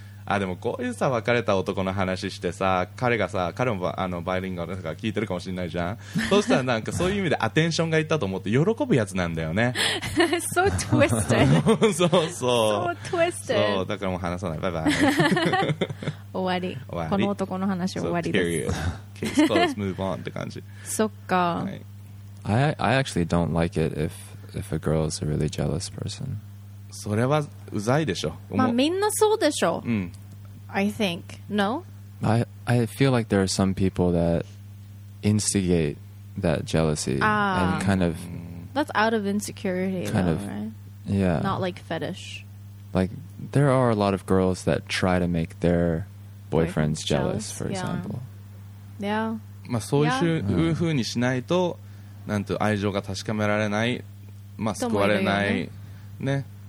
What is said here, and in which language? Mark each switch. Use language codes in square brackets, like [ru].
[ja] あ、でもこういうさ別れた男の話してさ、彼がさ、彼もあのバイリンガルとか聞いてるかもしれないじゃん。そうしたらなんかそういう意味でアテンションがいったと思って喜ぶやつなんだよね。 [en] So twisted. [ja] そうそう。 [en] So twisted. [ja] そう、だからもう話さない。バイバイ。終わり。終わり。この男の話終わりです。 [en] So period. Case closed. Move on [ja] って感じ。そっか。はい、 [en] I actually don't like it if a girl is a really jealous person. [ja] それはうざいでしょ。まあみんなそうでしょ。うん。 [en] I think. No? I feel like there are some people that instigate that jealousy. Ah. And kind of... That's out of insecurity, kind though, of, right? Yeah. Not like fetish. Like, there are a lot of girls that try to make their boyfriends jealous, for example. Yeah. [ja] まあそういう風にしないと、なんと愛情が確かめられない、まあ救われない、ね。